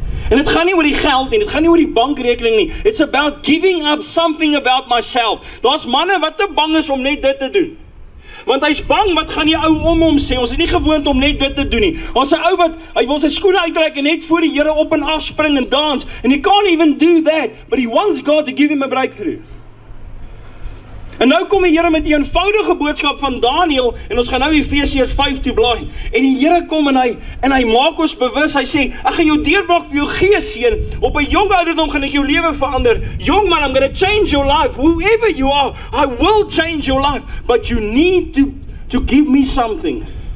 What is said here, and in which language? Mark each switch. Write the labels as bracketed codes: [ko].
[af] En het gaan nie oor die geld nie, het gaan nie oor die bankrekening nie. [en] It's about giving up something about myself. [af] Daar's manne wat te bang is om net dit te doen. Want hy's bang, wat gaan die ou om hom sê? Ons is nie gewoond om net dit te doen nie. Ons 'n ou wat, hy wil sy skoene uittrek en net voor die Here op en af spring en dans. [en] And he can't even do that, but he wants God to give him a breakthrough. [af] En nou kom die Here met die eenvoudige boodskap van Daniël, en ons gaan nou Efesiërs 5 toe blaai. En die Here kom en hy maak ons bewus, hy sê, ek gaan jou deurbraak vir jou gees seën, op 'n jong ouderdom gaan ek jou lewe verander. [en] Young man, I'm going to change your life, whoever you are, I will change your life, but you need to give me something.